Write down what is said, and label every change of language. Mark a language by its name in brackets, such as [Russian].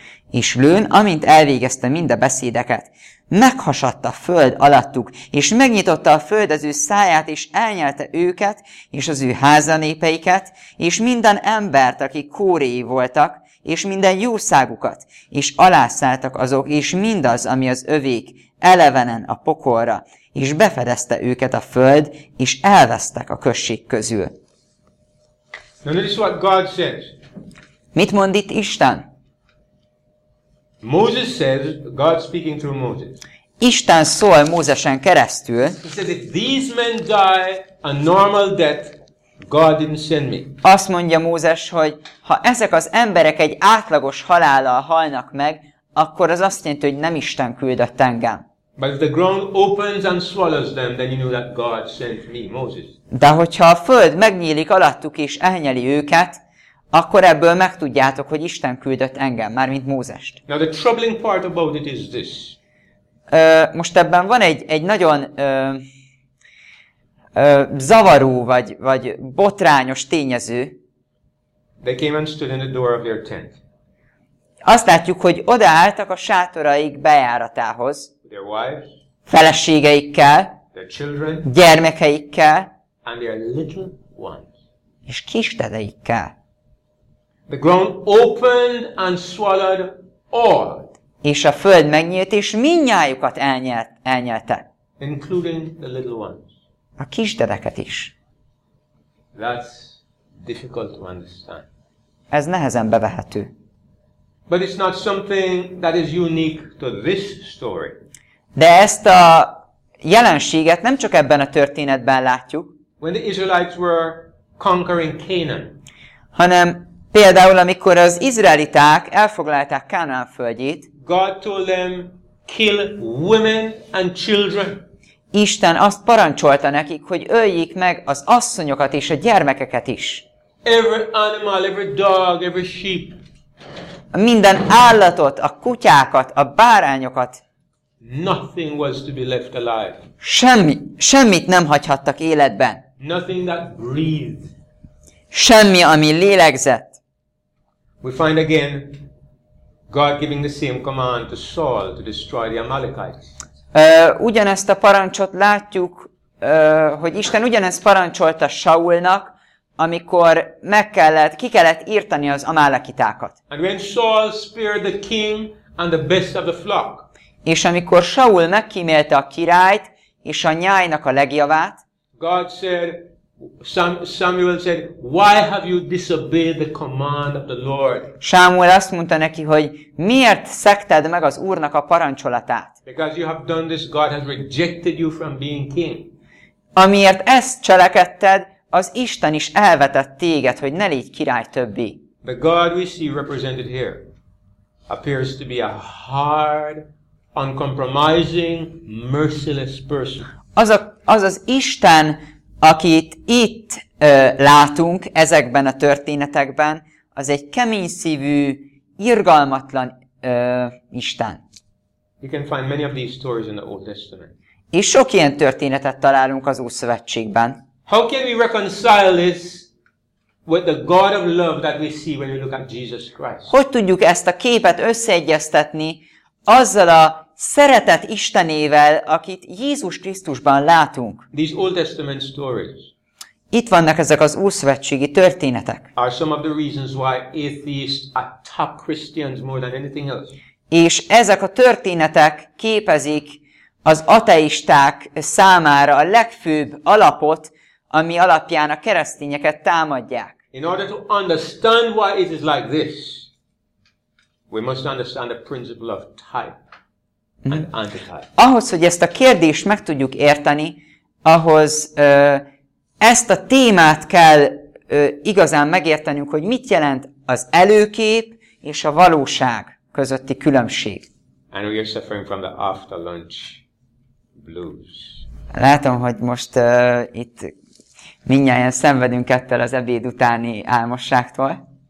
[Hungarian] És Lőn, amint elvégezte mind a beszédeket, meghasadt a Föld alattuk, és megnyitotta a Föld az ő száját, és elnyelte őket, és az ő házanépeiket, és minden embert, akik Kóréi voltak, és minden jószágukat, és alászálltak azok, és mindaz, ami az övék, elevenen a pokolra, és befedezte őket a Föld, és elvesztek a község közül. [English] Now notice what God says. [Hungarian] Mit mond itt Isten? [English] Moses says, God speaking through Moses. [Hungarian] Isten szól Mózesen keresztül. [English] He says, if these men die a normal death, God didn't send me. [Hungarian] Azt mondja Mózes, hogy ha ezek az emberek egy átlagos halállal halnak meg, akkor az azt jelenti, hogy nem Isten küldött engem. [English] But if the ground opens and swallows them, then you know that God sent me, Moses. [Hungarian] De hogyha a föld megnyílik alattuk és elnyeli őket, akkor ebből megtudjátok, hogy Isten küldött engem, mármint Mózest. [English] Now the troubling part about it is this. [Hungarian] Most ebben van egy nagyon zavaró vagy botrányos tényező. [English] They came and stood in the door of their tent. [Hungarian] Azt látjuk, hogy odaálltak a sátoraik bejáratához. [English] Their wives, [Hungarian] feleségeikkel, [English] their children, [Hungarian] gyermekeikkel, [English] and their little ones. [Hungarian] És kisdedeikkel. [English] The ground opened and swallowed all. [Hungarian] És a föld megnyílt, és mindnyájukat elnyelte. [English] Including the little ones. [Hungarian] A kisdedeket is. [English] That's difficult to understand. [Hungarian] Ez nehezen bevehető. [English] But it's not something that is unique to this story. [Hungarian] De ezt a jelenséget nem csak ebben a történetben látjuk. [English] When the Israelites were conquering Canaan. [Hungarian] Hanem például amikor az izraeliták elfoglalták Kánaán földjét. [English] God told them kill women and children. [Hungarian] Isten azt parancsolta nekik, hogy öljék meg az asszonyokat és a gyermekeket is. [English] Every animal, every dog, every sheep. [Hungarian] Minden állatot, a kutyákat, a bárányokat. [English] Nothing was to be left alive. [Hungarian] Semmit nem hagyhattak életben. [English] Nothing that breathed. [Hungarian] Semmi, ami lélegzett. [English] We find again God giving the same command to Saul to destroy the Amalekites. [Hungarian] Ugyanezt a parancsot látjuk, hogy Isten ugyanezt parancsolta Saulnak, amikor ki kellett írtani az amálekitákat. [English] And when Saul spared the king and the best of the flock. [Hungarian] És amikor Saul megkímélte a királyt és a nyájnak a legjavát, [English] God said, Samuel said, why have you disobeyed the command of the Lord? [Hungarian] Sámuel azt mondta neki, hogy miért szekted meg az Úrnak a parancsolatát? [English] Because you have done this, God has rejected you from being king. [Hungarian] Amiért ezt cselekedted, az Isten is elvetett téged, hogy ne légy király többé. [English] The God we see represented here appears to be a hard, uncompromising, merciless person. [Hungarian] Az az Isten, akit itt látunk ezekben a történetekben, az egy kemény szívű, irgalmatlan Isten. [English] You can find many of these stories in the Old Testament. [Hungarian] És sok ilyen történetet találunk az Ószövetségben. [English] How can we reconcile this with the God of love that we see when we look at Jesus Christ? [Hungarian] Hogy tudjuk ezt a képet összeegyeztetni azzal a szeretet Istenével, akit Jézus Krisztusban látunk? [English] These Old Testament stories. [Hungarian] Itt vannak ezek az ószövetségi történetek. [English] Are some of the reasons why atheists attack Christians more than anything else. [Hungarian] És ezek a történetek képezik az ateisták számára a legfőbb alapot, ami alapján a keresztényeket támadják. [English] In order to understand why it is like this, we must understand the principle of type. [Hungarian] Ahhoz, hogy ezt a kérdést meg tudjuk érteni, ahhoz ezt a témát kell igazán megértenünk, hogy mit jelent az előkép és a valóság közötti különbség. [English] And we are suffering from the after lunch blues. [Hungarian] Látom, hogy most itt mindnyáján szenvedünk ettől az ebéd utáni álmosságtól.